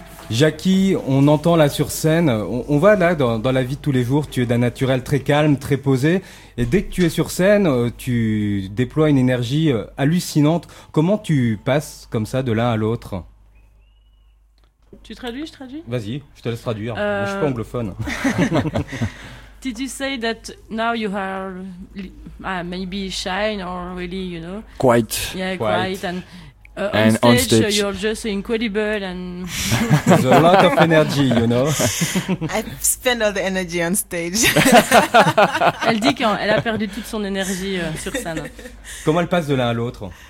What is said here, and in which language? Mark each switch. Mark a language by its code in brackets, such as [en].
[fr] Jackie, on entend là sur scène, on va là dans la vie de tous les jours, tu es d'un naturel très calme, très posé, et dès que tu es sur scène, tu déploies une énergie hallucinante. Comment tu passes comme ça de l'un à l'autre? Tu traduis, je traduis? Vas-y, je te laisse traduire, je ne suis pas anglophone. [en] Did you say that now you are maybe shy or really, you know? Quite. Yeah, quite. On stage, you're just incredible and a lot of energy, you know. I spend all the energy on stage. [fr] Elle dit qu'elle a perdu toute son énergie sur scène. Comment elle passe de l'un à l'autre?